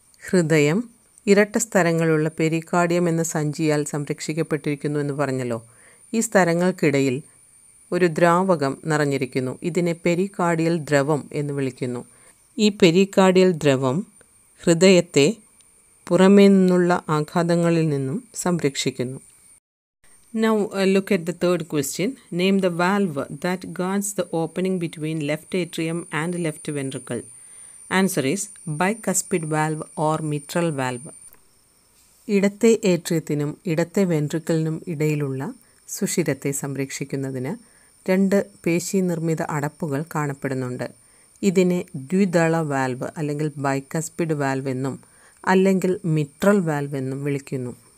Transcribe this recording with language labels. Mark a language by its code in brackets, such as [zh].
[ml] ഹൃദയം ഇരട്ട സ്ഥലങ്ങളുള്ള പെരികാർഡിയം എന്ന സഞ്ചിയാൽ സംരക്ഷിക്കപ്പെട്ടിരിക്കുന്നു എന്ന് പറഞ്ഞല്ലോ. ഈ സ്ഥലങ്ങൾക്കിടയിൽ ഒരു ദ്രാവകം നിറഞ്ഞിരിക്കുന്നു. ഇതിനെ പെരികാർഡിയൽ ദ്രവം എന്ന് വിളിക്കുന്നു. ഈ പെരികാർഡിയൽ ദ്രവം ഹൃദയത്തെ പുറമേ നിന്നുള്ള ആഘാതങ്ങളിൽ നിന്നും സംരക്ഷിക്കുന്നു. [en] Now look at the third question. Name the valve that guards the opening between left atrium and left ventricle. Answer is bicuspid valve or mitral valve. [ml] ഇടത്തെ ഏട്രിയത്തിനും ഇടത്തെ വെൻട്രിക്കിളിനും ഇടയിലുള്ള സുഷിരത്തെ സംരക്ഷിക്കുന്നതിന് രണ്ട് പേശി നിർമ്മിത അടപ്പുകൾ കാണപ്പെടുന്നുണ്ട്. ഇതിനെ ദ്വിദള വാൽവ് അല്ലെങ്കിൽ ബൈക്കസ്പിഡ് വാൽവ് എന്നും അല്ലെങ്കിൽ മിട്രൽ വാൽവ് എന്നും വിളിക്കുന്നു.